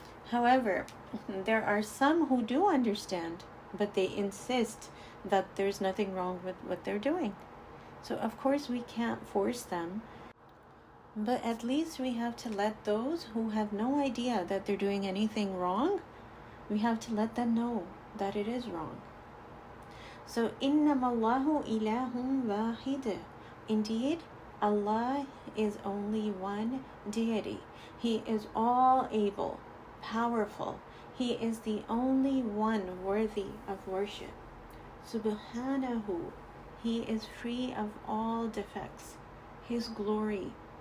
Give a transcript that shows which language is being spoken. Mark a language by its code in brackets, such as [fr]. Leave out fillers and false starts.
[en] However, there are some who do understand, but they insist that there's nothing wrong with what they're doing. So of course we can't force them, but at least we have to let those who have no idea that they're doing anything wrong, we have to let them know that it is wrong. [ar] So إِنَّمَ اللَّهُ إِلَهٌ وَاحِدٌ. [en] Indeed, Allah is only one deity. He is all able, powerful. He is the only one worthy of worship. Subhanahu, he is free of all defects. His glory.